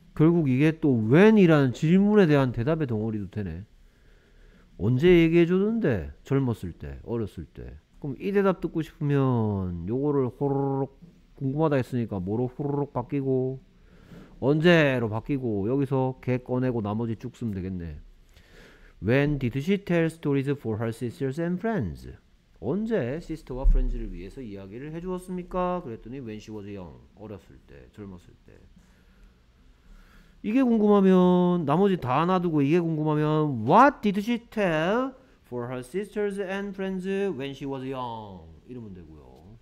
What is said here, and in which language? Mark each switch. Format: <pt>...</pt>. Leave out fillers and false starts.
<ko>결국 이게 또 when이라는 질문에 대한 대답의 덩어리도 되네. 언제 얘기해 줬는데? 젊었을 때, 어렸을 때. 그럼 이 대답 듣고 싶으면 요거를 호로록 궁금하다 했으니까 뭐로 후루룩 바뀌고 언제로 바뀌고 여기서 개 꺼내고 나머지 쭉 쓰면 되겠네.</ko> <en>When did she tell stories for her sisters and friends?</en> <ko>언제 시스터와 프렌즈를 위해서 이야기를 해주었습니까? 그랬더니</ko> <en>when she was young,</en> <ko>어렸을 때, 젊었을 때. 이게 궁금하면 나머지 다 놔두고, 이게 궁금하면</ko> <en>What did she tell for her sisters and friends when she was young?</en> <ko>이러면 되고요.</ko>